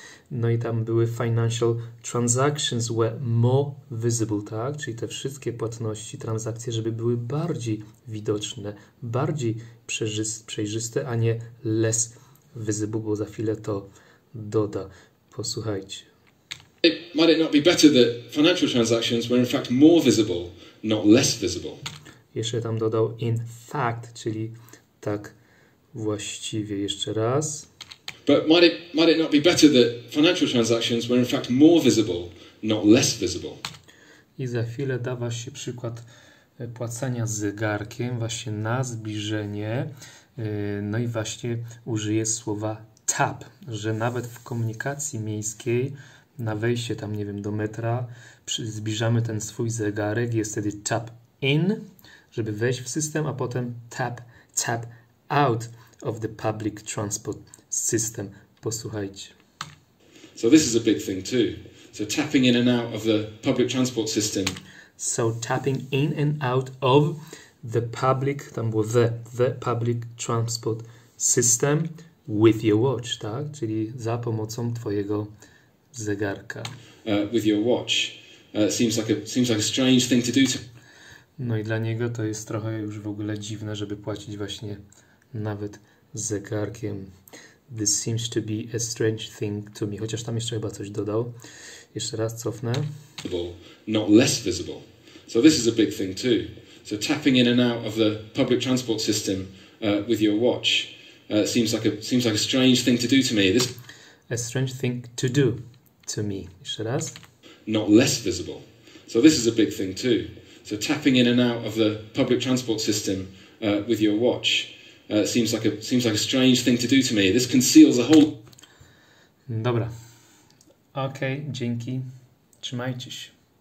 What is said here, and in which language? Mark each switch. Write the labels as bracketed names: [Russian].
[Polish] No i tam były [English] financial transactions were more visible, [Polish] tak? Czyli te wszystkie płatności, transakcje, żeby były bardziej widoczne, bardziej przejrzyste, a nie [English] less visible, [Polish] bo za chwilę to doda. Posłuchajcie. [English] It might it not be better that financial transactions were in fact more visible, not less visible. [Polish] Jeszcze tam dodał [English] in fact, [Polish] czyli tak właściwie, jeszcze raz. [English] But might it not be better that financial transactions were in fact more visible, not less visible. [Polish] I za chwilę dawa się przykład płacenia zegarkiem właśnie na zbliżenie. No i właśnie użyję słowa tap, że nawet w komunikacji miejskiej na wejście tam, nie wiem, do metra zbliżamy ten swój zegarek, jest wtedy [English] tap in, [Polish] żeby wejść w system, a potem [English] tap out of the public transport system. [Polish] Posłuchajcie. [English] So this is a big thing too. So tapping in and out of the public transport system. So tapping in and out of the public, [Polish] tam było [English] the public transport system with your watch, [Polish] tak? Czyli za pomocą twojego zegarka. [English] With your watch. Seems like a strange thing to do. [Polish] No i dla niego to jest trochę już w ogóle dziwne, żeby płacić właśnie nawet zegarkiem. [English] This seems to be a strange thing to me. [Polish] Chociaż tam jeszcze chyba coś dodał. Jeszcze raz cofnę. [English] Not less visible. So this is a big thing too. So tapping in and out of the public transport system with your watch seems like a strange thing to do to me. This a strange thing to do to me. [Polish] Jeszcze raz. [English] Not less visible. So this is a big thing too. So tapping in and out of the public transport system with your watch seems like a strange thing to do to me. This conceals a whole... [Polish] Dobra. Okej, dzięki. Trzymajcie się.